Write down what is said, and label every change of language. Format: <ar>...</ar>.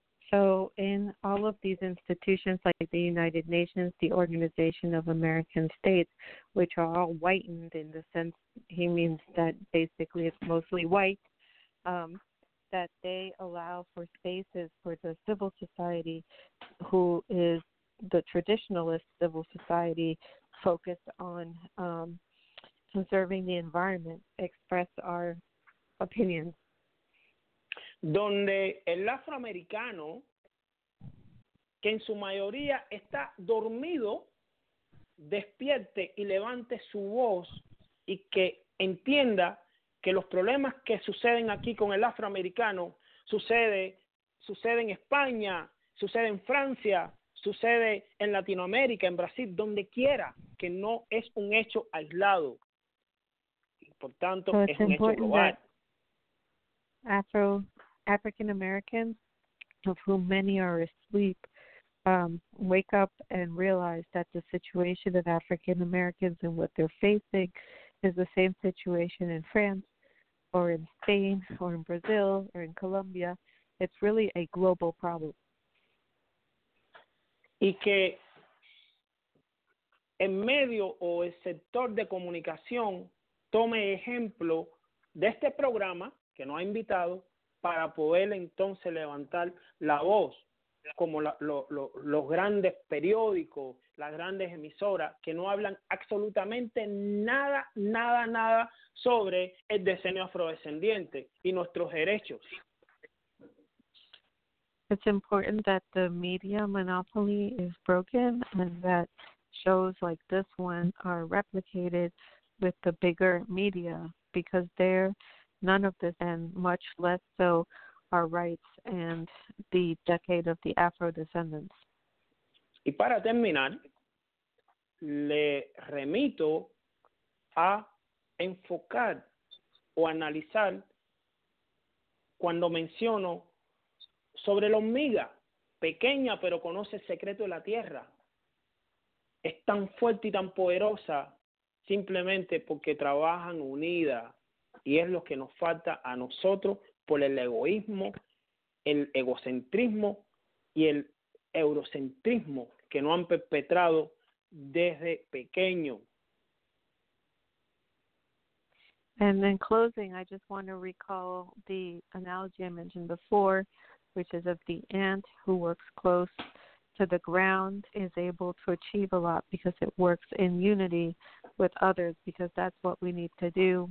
<en>So in all of these institutions like the United Nations, the Organization of American States, which are all whitened in the sense he means that basically it's mostly white, that they allow for spaces for the civil society, who is the traditionalist civil society focused on conserving the environment, express our opinions.</en> <es>Donde el afroamericano, que en su mayoría está dormido, despierte y levante su voz y que entienda que los problemas que suceden aquí con el afroamericano sucede en España, sucede en Francia, sucede en Latinoamérica, en Brasil, donde quiera, que no es un hecho aislado. Y por tanto,</es> <en>so</en> <es>es un hecho global.</es> <en>African Americans, of whom many are asleep, wake up and realize that the situation of African Americans and what they're facing is the same situation in France or in Spain or in Brazil or in Colombia. It's really a global problem.</en> <es>Y que en medio o el sector de comunicación tome ejemplo de este programa que nos ha invitado para poder entonces levantar la voz, como los grandes periódicos, las grandes emisoras, que no hablan absolutamente nada sobre el decenio afrodescendiente y nuestros derechos.</es> <en>It's important that the media monopoly is broken and that shows like this one are replicated with the bigger media, because they're none of this, and much less so our rights and the decade of the Afro-descendants.</en> <es>Y para terminar, le remito a enfocar o analizar cuando menciono sobre la hormiga, pequeña pero conoce el secreto de la tierra. Es tan fuerte y tan poderosa simplemente porque trabajan unidas. Y es lo que nos falta a nosotros por el egoísmo, el egocentrismo y el eurocentrismo que nos han perpetrado desde pequeño.</es> <en>And in closing, I just want to recall the analogy I mentioned before, which is of the ant who works close to the ground is able to achieve a lot because it works in unity with others, because that's what we need to do.</en>